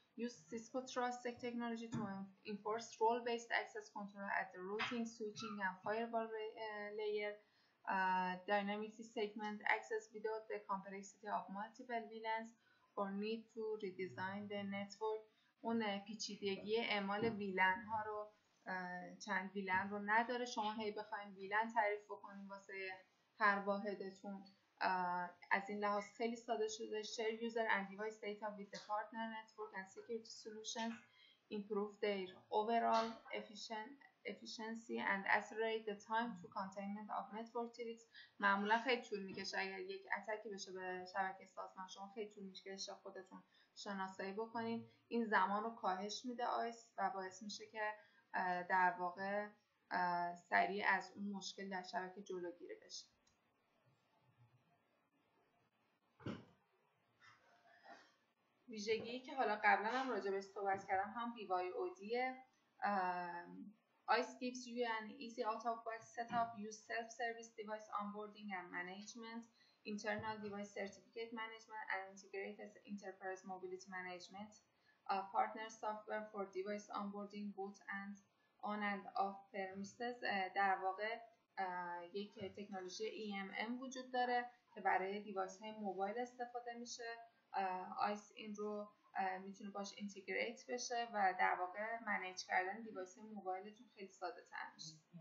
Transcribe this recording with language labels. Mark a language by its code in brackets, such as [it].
[en] Use Cisco Trusted technology to enforce role based access control at the routing, switching and firewall layer. Dynamically segment access without the complexity of multiple VLANs or need to redesign the network. [fa] اون پیچیدگی اعمال ویلن ها رو چند ویلن رو نداره. شما هی بخواییم ویلن تعریف بکنیم واسه هر واحدتون از این لحاظ خیلی ساده شده. [en] Share user and device data with the partner network and security solutions. Improve their overall efficiency and accelerate the time to containment of network threats. [fa] معمولا خیلی طول میکشه اگر یک اتکی بشه به شبکه سازمان شما، خیلی طول میکشه خودتون شناسایی بکنین. این زمان رو کاهش میده آیس و باعث میشه که در واقع سریع از اون مشکل در شبکه جلوگیری بشه. ویژگی که حالا قبلا هم راجع بهش صحبت کردم هم BYODه. [en] ICE gives you an easy out-of-box setup, use self-service device onboarding and management, internal device certificate management and integrated enterprise mobility management, partner software for device onboarding, boot and on and off premises. [fa] در واقع یک تکنولوژی EMM وجود داره که برای دیوایس های موبایل استفاده میشه. ICE این رو میتونه باش اینتگریت بشه و در واقع منیج کردن دیوایس موبایلتون خیلی ساده تر میشه.